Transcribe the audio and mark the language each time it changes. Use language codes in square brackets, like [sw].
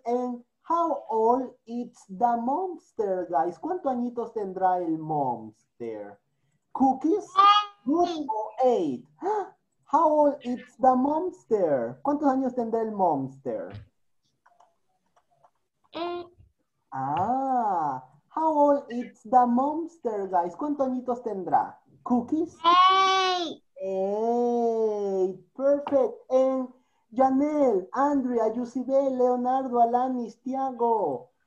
[en] And how old is the monster, guys? [es] ¿Cuántos añitos tendrá el monster? Cookies? [en] Good or eight? How old is the monster? [es] ¿Cuántos años tendrá el monster? [en] Ah, how old is the monster, guys? [es] ¿Cuántos añitos tendrá? [en] Cookies? Hey, perfect. And Janelle, Andrea, Yusibel, Leonardo, Alanis, Tiago.